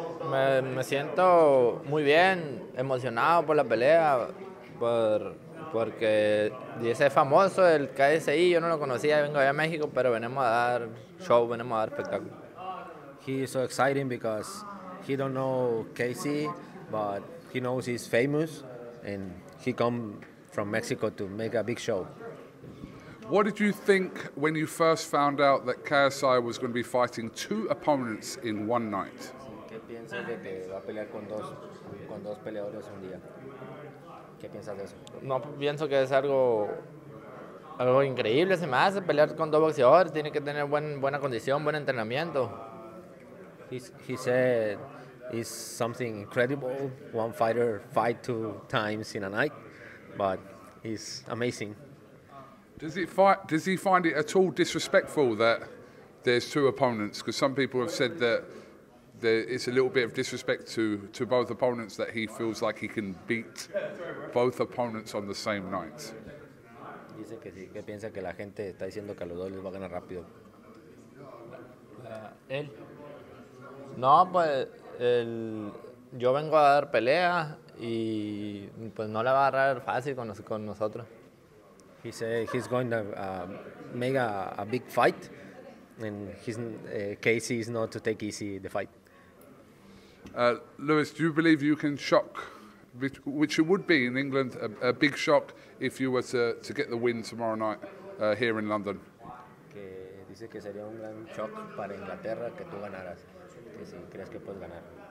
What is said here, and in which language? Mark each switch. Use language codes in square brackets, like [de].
[es] Me siento muy bien, emocionado por la pelea, porque ese famoso, el KSI, yo no lo conocía, vengo allá a México, pero venimos a dar show, venimos a dar espectáculo. [en] He is so exciting because he don't know Casey, but he knows he's famous, and he come from Mexico to make a big show. What did you think when you first found out that KSI was going to be fighting two opponents in one night? [es] ¿Qué piensas de que va a pelear con dos peleadores un día? ¿Qué piensas de eso? No, pienso que es algo increíble, se me hace pelear con dos boxeadores, tiene que tener buena condición, buen entrenamiento. [en] He said it's something incredible, one fighter fight two times in a night, but it's amazing. Does he find it at all disrespectful that there's two opponents? Because some people have said that it's a little bit of disrespect to both opponents that he feels like he can beat both opponents on the same night. [es] Dice que sí, que piensa que la gente está diciendo que los dos les va a ganar rápido. Él. No, pues el yo vengo a dar pelea y pues no la va a agarrar fácil con nosotros. [en] He said he's going to make a big fight and his Casey is not to take easy the fight. Luis, do you believe you can shock, which it would be in England, a big shock if you were to get the win tomorrow night here in London? [es] Que dice que sería un gran shock para Inglaterra que tú ganaras, que si crees que puedes ganar.